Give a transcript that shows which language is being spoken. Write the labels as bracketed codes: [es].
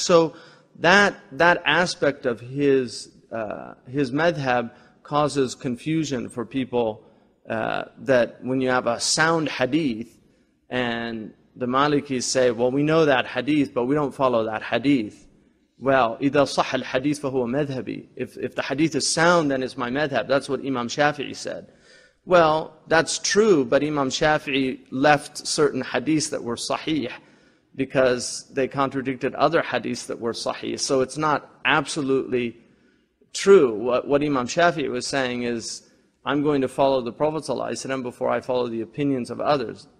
[en] So that aspect of his madhab causes confusion for people. That when you have a sound hadith and the Malikis say, "Well, we know that hadith, but we don't follow that hadith." [ar] Well, إِذَا صَحَّ الْحَدِيثِ فَهُوَ مَذْهَبِي. [en] If the hadith is sound, then it's my madhab. That's what Imam Shafi'i said. Well, that's true, but Imam Shafi'i left certain hadith that were sahih because they contradicted other hadith that were sahih. So it's not absolutely true. What Imam Shafi'i was saying is, I'm going to follow the Prophet ﷺ before I follow the opinions of others.